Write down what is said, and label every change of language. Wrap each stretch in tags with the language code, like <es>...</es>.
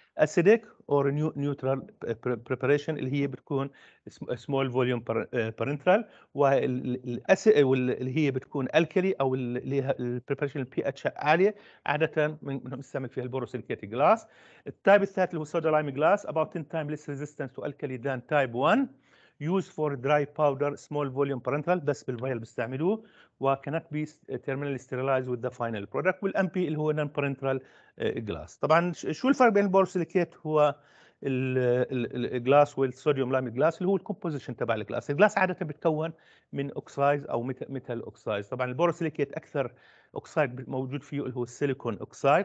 <ar>acidic or neutral preparation اللي هي بتكون small volume parenteral واللي هي بتكون alkali او اللي هي preparation pH عالية عادة بنستعمل فيها البوروسيليكيت جلاس.</ar> <en>التايب الثالث اللي هو soda lime glass about 10 times less resistant to alkali than type 1. Used for dry powder small volume parenteral بس بالفايل بيستعملوه و cannot be terminally sterilized with the final product.</en> <ar>والMP اللي هو non-parenteral glass. طبعا شو الفرق بين البوروسيليكيت هو الجلاس والسوديوم لايم جلاس اللي هو الكومبوزيشن تبع الجلاس. الجلاس عادة بتكون من اوكسايد او ميتال اوكسايد. طبعا البوروسيليكيت اكثر اوكسايد موجود فيه اللي هو السيليكون اوكسايد.</ar>